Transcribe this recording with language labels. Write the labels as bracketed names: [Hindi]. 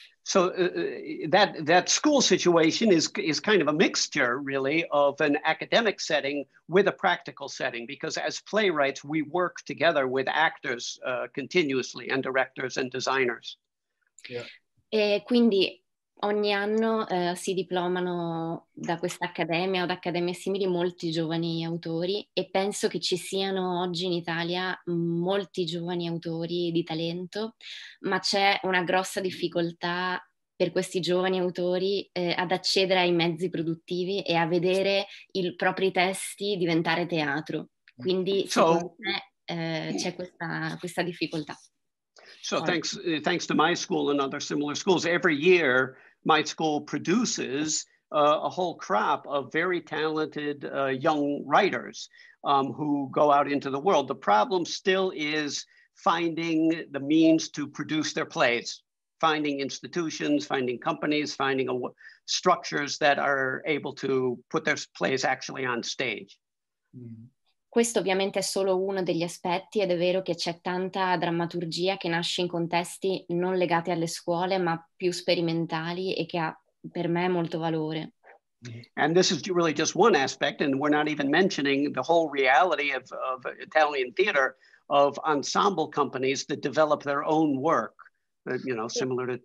[English] So that school situation is kind of a mixture, really, of an academic setting with a practical setting, because as playwrights, we work together with actors continuously, and directors and designers. Yeah. [Italian] E quindi Ogni anno si diplomano da questa accademia o da accademie simili molti giovani autori e penso che ci siano oggi in Italia molti giovani autori di talento, ma c'è una grossa difficoltà per questi giovani autori ad accedere ai mezzi produttivi e a vedere i propri testi diventare teatro. Quindi secondo me c'è questa difficoltà. [English] So thanks to my school and other similar schools, every year my school produces a whole crop of very talented young writers who go out into the world. The problem still is finding the means to produce their plays, finding institutions, finding companies, finding structures that are able to put their plays actually on stage. Mm-hmm. [Italian] Questo ovviamente è solo uno degli aspetti ed è vero che c'è tanta drammaturgia che nasce in contesti non legati alle scuole ma più sperimentali e che ha per me molto valore. [English] And this is really just one aspect and we're not even mentioning the whole reality of Italian theater, of ensemble companies that develop their own work, you know, similar to...